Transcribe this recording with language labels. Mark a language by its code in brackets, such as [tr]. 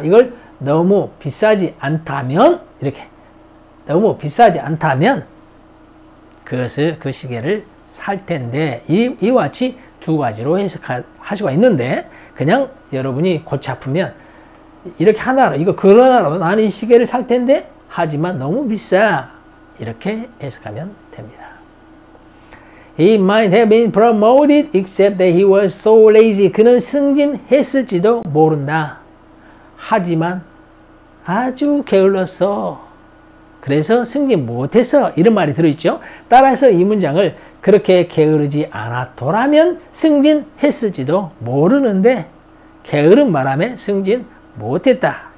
[ko] 이걸 너무 비싸지 않다면 이렇게 너무 비싸지 않다면 그것을 그 시계를 살 텐데 이와 같이 두 가지로 해석할 수가 있는데 그냥 여러분이 골치 아프면 이렇게 하나로 이거 그러나로 나는 이 시계를 살 텐데 하지만 너무 비싸 이렇게 해석하면 됩니다. [en] He might have been promoted except that he was so lazy. [ko] 그는 승진했을지도 모른다. 하지만 아주 게을러서 그래서 승진 못했어. 이런 말이 들어있죠. 따라서 이 문장을 그렇게 게으르지 않았더라면 승진했을지도 모르는데 게으른 바람에 승진 못했다.